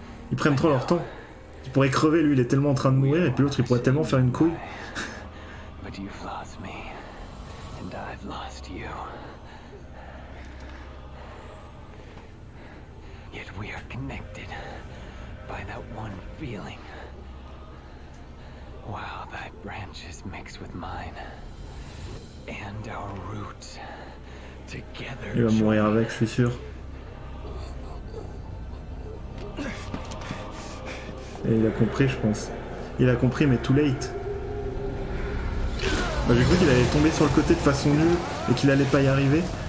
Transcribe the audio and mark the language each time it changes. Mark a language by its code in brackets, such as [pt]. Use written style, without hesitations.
[fr] Ils prennent trop leur temps. Il pourrait crever, lui, il est tellement en train de mourir, et puis l'autre, il pourrait tellement faire une couille. [en] But you've lost me, and I've lost you. Yet we are connected by that one feeling. While thy branches mix with mine, and our roots together. [fr] Il va mourir avec, je suis sûr. Et il a compris, je pense. Il a compris, mais [en] too late. [fr] Bah, j'ai cru qu'il allait tomber sur le côté de façon nulle et qu'il allait pas y arriver.